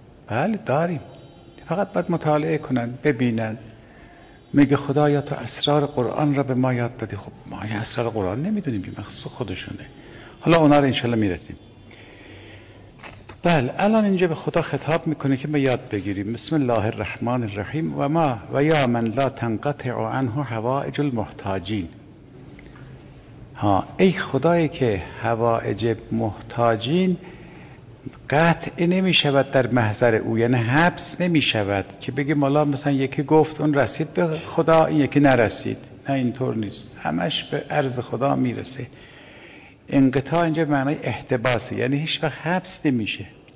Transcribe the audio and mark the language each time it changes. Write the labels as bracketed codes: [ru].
[fa] بله داریم، فقط باید مطالعه کنن ببینن. میگه خدایا تو اسرار قرآن را به ما یاد دادی. خب ما اسرار قرآن نمیدونیم، مخصوص خودشونه. حالا اونا رو انشالله میرسیم. بله، الان اینجا به خدا خطاب میکنه که ما یاد بگیریم. [ar] بسم الله الرحمن الرحیم. و ما و یا من لا تنقطع عنه حوائج المحتاجین. [fa] ها، ای خدایی که حوائج محتاجین قطع نمی شود در محضر او، یعنی حبس نمی شود که بگیم الله مثلا یکی گفت اون رسید به خدا، این یکی نرسید. نه، اینطور نیست، همش به عرض خدا میرسه. انقطاع اینجا معنای احتباسه، یعنی هیچ وقت حبس نمیشه.